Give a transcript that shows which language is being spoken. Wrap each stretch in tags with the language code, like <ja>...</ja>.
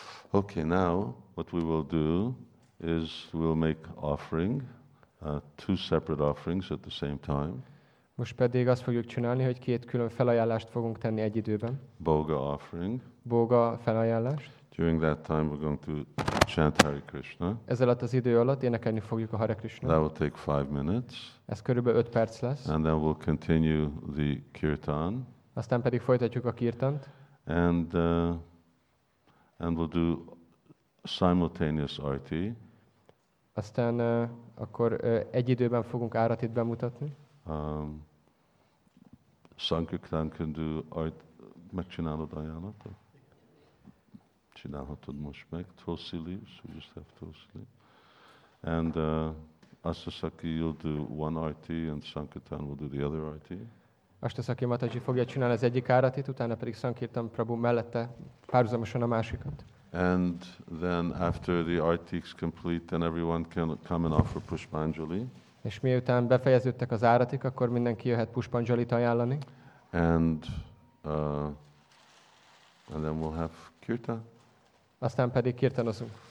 <en>Okay, now what we will do is we'll make offering, two separate offerings at the same time.</en> <hu>Most pedig azt fogjuk csinálni, hogy két külön felajánlást fogunk tenni egy időben.</hu> <en>Boga offering.</en> <hu>Boga felajánlást.</hu> <en>During that time we're going to chant Hare Krishna.</en> <hu>Ez alatt az idő alatt énekelni fogjuk a Hare Krishna.</hu> <en>That will take 5 minutes.</en> <hu>Ez körülbelül 5 perc lesz.</hu> <en>And then we'll continue the kirtan.</en> <hu>Aztán pedig folytatjuk a kirtant.</hu> <en>And we'll do simultaneous arati.</en> <hu>Aztán akkor egy időben fogunk áratit bemutatni.</hu> <en>Sankirtan can do art.</en> <hu>Megcsinálod ajánlatot? Csinálhatod most meg.</hu> <en>Tulsi leaves. We just have Tulsi leaves. And Asasaki, you'll do one arati and Sankirtan will do the other arati.</en> <hu>Astasaki Mataji fogja csinálni az egyik áratit, utána pedig Sankirtan Prabhu mellette párhuzamosan a másikat.</hu> <en>And then after the arti is complete, then everyone can come and offer Pushpanjali.</en> <hu>És miután befejeződtek az áratik, akkor mindenki jöhet Pushpanjalit ajánlani.</hu> <en>And then we'll have kirtan.</en> <hu>Aztán pedig kirtanozunk.</hu>